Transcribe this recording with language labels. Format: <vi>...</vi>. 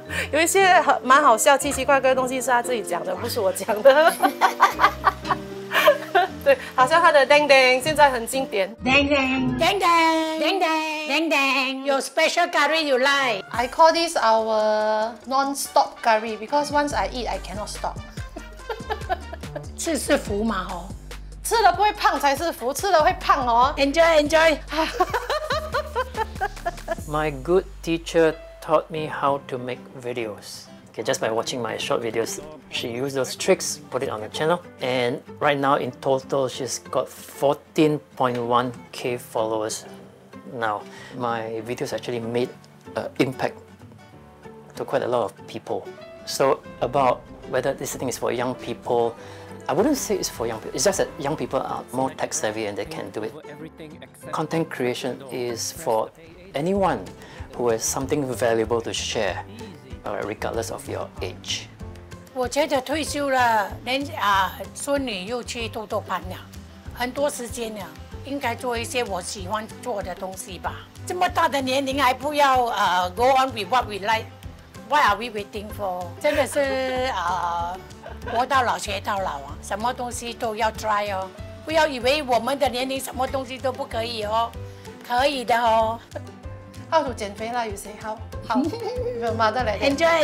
<zh>有一些蛮好笑奇奇怪怪的东西是他自己讲的，不是我讲的。对，好像他的叮叮现在很经典。叮叮叮叮叮叮叮叮</zh> <en>，Your special curry you like? I call this our non-stop curry because once I eat, I cannot stop.</en> <zh>吃是福嘛哦，吃了不会胖才是福，吃了会胖哦。</zh> <en>Enjoy enjoy. My good teacher taught me how to make videos. Okay, just by watching my short videos. She used those tricks, put it on the channel, and right now in total she's got 14.1k followers now. My videos actually made an impact to quite a lot of people. So about whether this thing is for young people, I wouldn't say it's for young people. It's just that young people are more tech savvy and they can do it. Content creation is for anyone who has something valuable to share, regardless of your age.</en> <zh>我觉得退休了，连啊孙女又去豆豆班了，很多时间了，应该做一些我喜欢做的东西吧。这么大的年龄还不要</zh> <en>go on with what we like, why are we waiting for?</en> <zh>真的是活到老学到老啊，什么东西都要 try 哦，不要以为我们的年龄什么东西都不可以哦，可以的哦。</zh> <en>How to</en> <zh>减肥啦？</zh> <en>You say how? How? Your mother like that?</en>